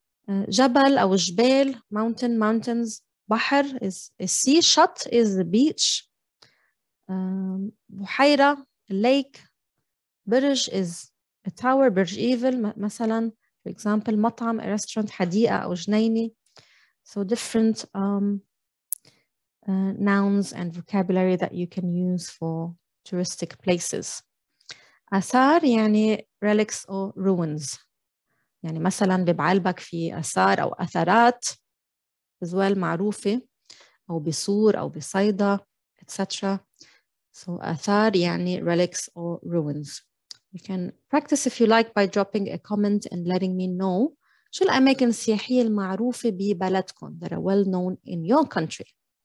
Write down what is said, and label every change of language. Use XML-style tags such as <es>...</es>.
<ar>جبل أو جبال,</ar> <en>mountain, mountains. بحر is a sea. شط is the beach. بحيرة, lake.</en> <ar>برج</ar> <en>is a tower,</en> <ar>برج إيفل مثلا.</ar> <en>For example, مطعم, a restaurant, حديقة أو جنينة. So different nouns and vocabulary that you can use for touristic places. أثار يعني relics or ruins.</en> <ar>يعني مثلا ببعلبك في أثار أو أثرات</ar> <en>as well</en> <ar>معروفة أو بصور أو بصيدة etc.</ar> <en>So أثار يعني relics or ruins. You can practice if you like by dropping a comment and letting me know</en> <ar>شو الأماكن السياحية المعروفة ببلدكم</ar> <en>that are well known in your country.</en>